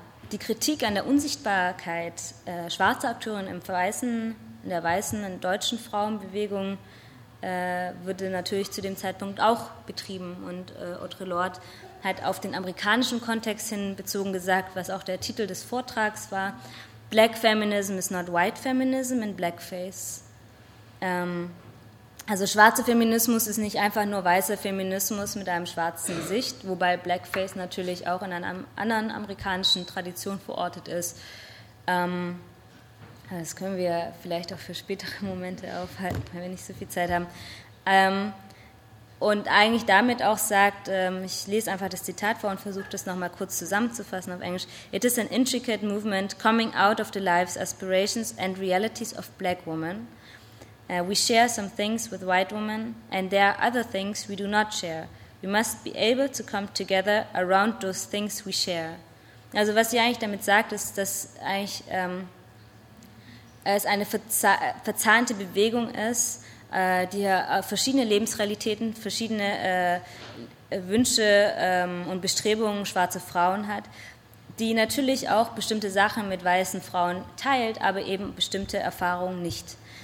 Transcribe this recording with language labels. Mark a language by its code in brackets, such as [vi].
[de] Die Kritik an der Unsichtbarkeit schwarzer Akteuren in der weißen und deutschen Frauenbewegung wurde natürlich zu dem Zeitpunkt auch betrieben. Und Audre Lorde hat auf den amerikanischen Kontext hin bezogen gesagt, was auch der Titel des Vortrags war, [en] Black Feminism is not white feminism in blackface. [de] Also schwarzer Feminismus ist nicht einfach nur weißer Feminismus mit einem schwarzen Gesicht, wobei Blackface natürlich auch in einer anderen amerikanischen Tradition verortet ist. Das können wir vielleicht auch für spätere Momente aufhalten, wenn wir nicht so viel Zeit haben. Und eigentlich damit auch sagt, ich lese einfach das Zitat vor und versuche das nochmal kurz zusammenzufassen auf Englisch. [en] It is an intricate movement coming out of the lives, aspirations and realities of black women. We share some things with white women and there are other things we do not share. We must be able to come together around those things we share. [de] Also was sie eigentlich damit sagt, ist, dass eigentlich es eine verzahnte Bewegung ist, die verschiedene Lebensrealitäten, verschiedene Wünsche und Bestrebungen schwarze Frauen hat, die natürlich auch bestimmte Sachen mit weißen Frauen teilt, aber eben bestimmte Erfahrungen nicht.